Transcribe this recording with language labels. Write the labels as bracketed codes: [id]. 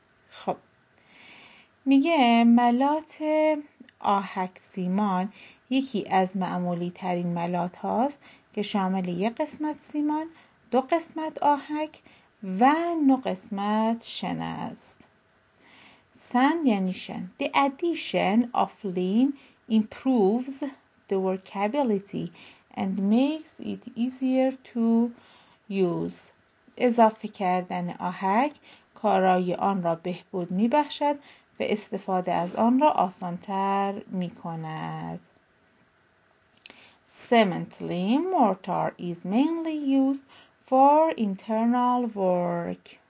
[fa] خب میگه ملات آهک سیمان یکی از معمولی ترین ملات هاست که شامل یک قسمت سیمان، دو قسمت آهک و نه قسمت شن است. سند یعنی شن. [en] The addition of lime improves the workability and makes it easier to use. [fa] اضافه کردن آهک کارای آن را بهبود می بخشد و استفاده از آن را آسانتر می کند. [en] Cement lime mortar is mainly used for internal work.